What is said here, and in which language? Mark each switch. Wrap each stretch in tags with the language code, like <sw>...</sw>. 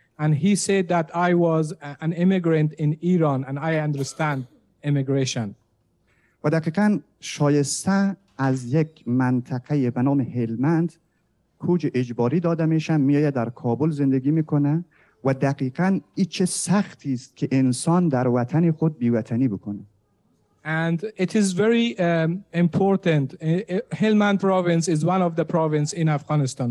<en>And he said that I was an immigrant in Iran and I understand immigration.</en> <fa>و دقیقاً شایسته از یک منطقه به نام هلمند کوج اجباری داده میشن میاد در کابل زندگی میکنه و دقیقاً ای چه سختی است که انسان در وطن خود بیوطنی بکنه.</fa> <en>And it is very important. Helmand province is one of the province in Afghanistan.</en>